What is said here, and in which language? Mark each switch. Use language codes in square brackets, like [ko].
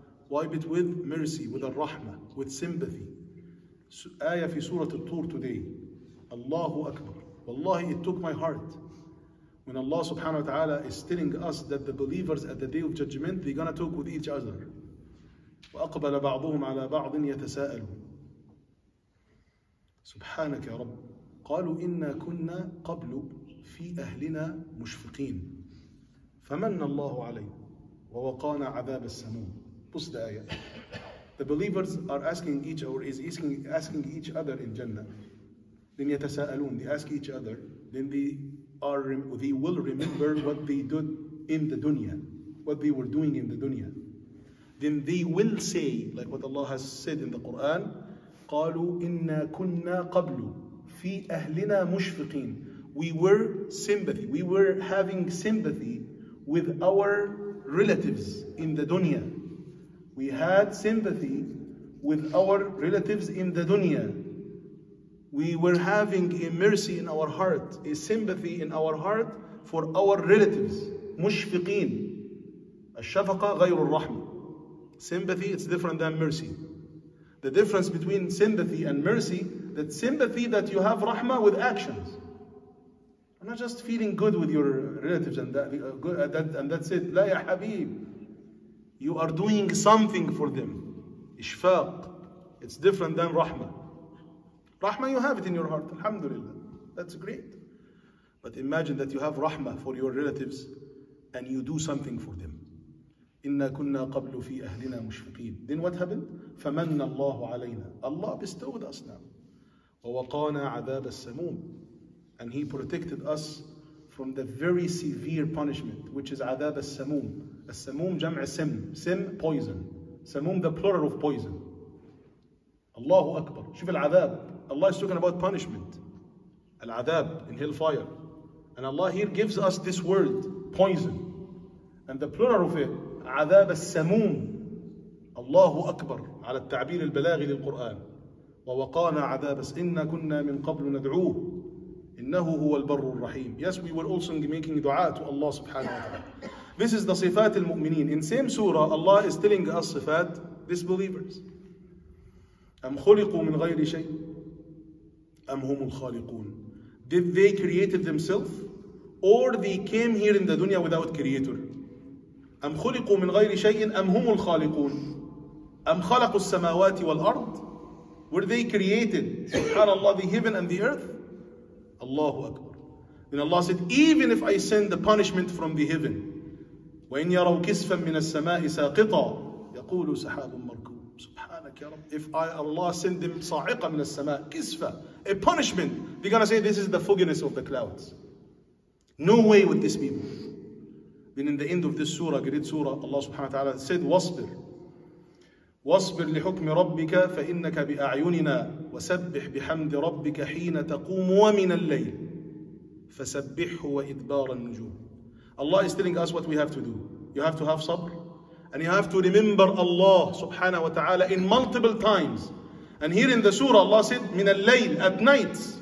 [en] Wipe it with mercy, with الرحمة, with sympathy. [ar] آية في سورة الطور today. الله أكبر. والله [en] it took my heart. When Allah subhanahu wa ta'ala is telling us that the believers at the day of judgment, they're gonna talk with each other. [ar] وأقبل بعضهم على بعض يتساءلون. سبحانك يا رب. قالوا إنا كنا قبل في أهلنا مشفقين فمن الله علينا ووقانا عذاب السموم. بص ده آية. [en] The believers are asking each or is asking each other in Jannah. Then يتساءلون. They ask each other. Then they will remember what they did in the dunya. What they were doing in the dunya. Then they will say like what Allah has said in the Quran. [ar] قالوا إنا كنا قبل في أهلنا مشفقين. [en] We were sympathy. We were having sympathy with our relatives in the dunya. We had sympathy with our relatives in the dunya. We were having a mercy in our heart, a sympathy in our heart for our relatives. [ar] مشفقين. الشفقة غير الرحمة. [en] Sympathy is different than mercy. The difference between sympathy and mercy, that sympathy that you have rahma with actions. I'm not just feeling good with your relatives and that's it. [ar] لا يا حبيب. [en] You are doing something for them. إشفاق. It's different than rahma. Rahma you have it in your heart. Alhamdulillah. That's great. But imagine that you have rahma for your relatives and you do something for them. [ar] إنا كنا قبل في أهلنا مشفقين. [en] Then what happened? [ar] فمن الله علينا. [en] Allah bestowed us now. [ar] ووقانا عذاب السموم. [en] And He protected us from the very severe punishment, which is [ar] عذاب السموم. السموم جمع سم. سم poison. سموم [en] the plural of poison. [ar] الله أكبر. شوف العذاب. [en] Allah is talking about punishment. العذاب in hellfire. And Allah here gives us this word, poison. And the plural of it, [ar] عذاب السموم. الله أكبر على التعبير البلاغي للقرآن. ووقانا عذاب إن كنا من قبل ندعوه إنه هو البر الرحيم. [en] Yes, we were also making دعاء to Allah سبحانه وتعالى. This is the [ar] صفات المؤمنين. [en] In same surah, Allah is telling us صفات disbelievers. [ar] أم خلقوا من غير شيء أم هم الخالقون. [en] Did they create themselves or they came here in the dunya without creator? [ar] أم خلقوا من غير شيء أم هم الخالقون. أم خلقوا السماوات والأرض. [en] Were they created? [ar] سبحان الله, [en] the heaven and the earth. [ar] الله أكبر. [en] Then Allah said, even if I send the punishment from the heaven, [ar] وإن يروا كسفا من السماء ساقطا يقول سحاب مركوم. سبحانك يا رب. [en] If Allah send them [ar] صاعقة من السماء, [en] كسفة, a punishment, they're gonna say this is the fogginess of the clouds. No way with these people. Then in the end of this surah, great surah, Allah subhanahu wa ta'ala said, واصبر. [ar] واصبر لحكم ربك فإنك بأعيننا وسبح بحمد ربك حين تقوم ومن الليل فسبحه وإدبار النجوم. [en] Allah is telling us what we have to do. You have to have sabr and you have to remember Allah subhanahu wa ta'ala in multiple times. And here in the surah Allah said [ar] من الليل, [en] at night.